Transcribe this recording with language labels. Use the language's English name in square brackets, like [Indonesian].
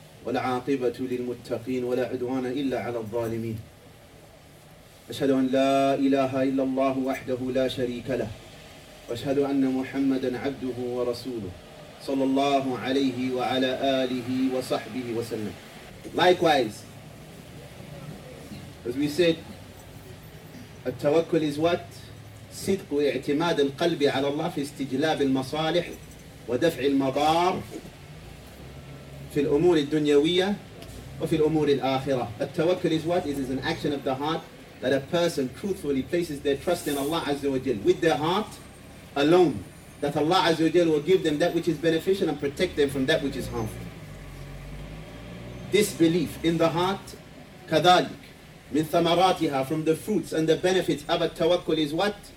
[Arabic] والعاقبة للمتقين ولا عدوان إلا على الظالمين أشهد أن لا إله إلا الله وحده لا شريك له وأشهد أن محمدا عبده ورسوله صلى الله عليه وعلى آله وصحبه وسلم. [English] Likewise, as we said, التوكل is what? [Arabic] صدق اعتماد القلب على الله في استجلاب المصالح ودفع المضار في الأمور الدنيوية وفي الأمور الآخرة. [English] التوكل is what? It is an action of the heart that a person truthfully places their trust in Allah Azza wa Jal with their heart alone, that Allah Azza wa Jal will give them that which is beneficial and protect them from that which is harmful. This belief in the heart, [Arabic] كذلك من ثمراتها, [English] from the fruits and the benefits of a tawakkul is what?